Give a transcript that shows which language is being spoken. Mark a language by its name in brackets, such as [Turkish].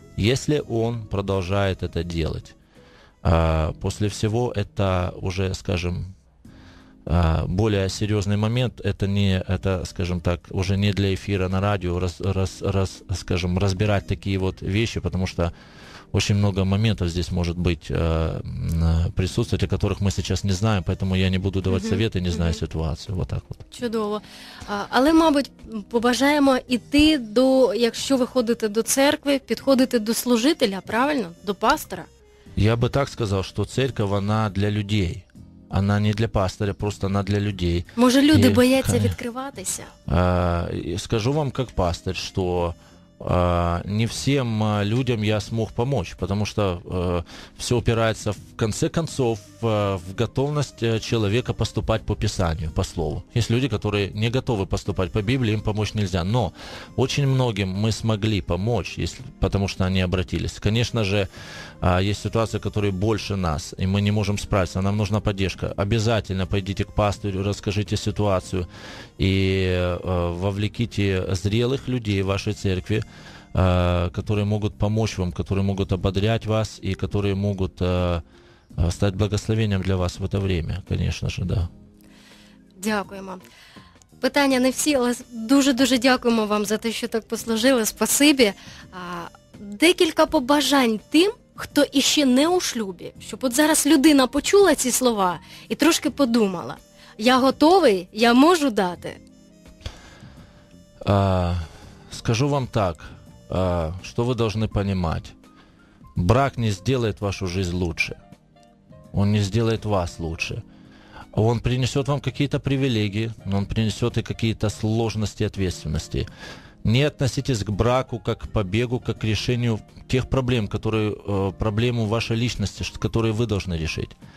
[Russian] Если он продолжает это делать, после всего это уже, скажем, более серьезный момент, это, скажем так, уже не для эфира на радио, скажем, разбирать такие вот вещи, потому что очень много моментов здесь может быть присутствовать, о которых мы сейчас не знаем, поэтому я не буду давать советы, не знаю ситуацию. Вот так вот. [Ukrainian] Чудово. Але, мабуть, побажаємо іти до, якщо ви ходите до церкви, підходити до служителя, правильно? До пастора? Я би так сказав, що церковь, вона для людей. [Russian] Она не для пастора, просто она для людей. Может, люди боятся открываться? Скажу вам как пастор, что не всем людям я смог помочь, потому что все упирается, в конце концов, в готовность человека поступать по Писанию, по Слову. Есть люди, которые не готовы поступать по Библии, им помочь нельзя. Но очень многим мы смогли помочь, потому что они обратились. Конечно же, есть ситуации, которые больше нас, и мы не можем справиться, нам нужна поддержка. Обязательно пойдите к пастору, расскажите ситуацию и вовлеките зрелых людей в вашей церкви, которые могут помочь вам, которые могут ободрять вас и которые могут стать благословением для вас в это время, конечно же, да. [Ukrainian] Дякуємо. Питання не всі, але дуже-дуже дякуємо вам за те, що так послужили. Спасибі. Декілька побажань тим, хто іще не у шлюбі, щоб от зараз людина почула ці слова і трошки подумала. Я готовий, я можу дати. Скажу вам так, що ви повинні розуміти. Брак не зробить вашу життя краще. [Russian] Он не сделает вас лучше. Он принесет вам какие-то привилегии, но он принесет и какие-то сложности и ответственности. Не относитесь к браку как к побегу, как к решению тех проблем, которые проблемы вашей личности, которые вы должны решить.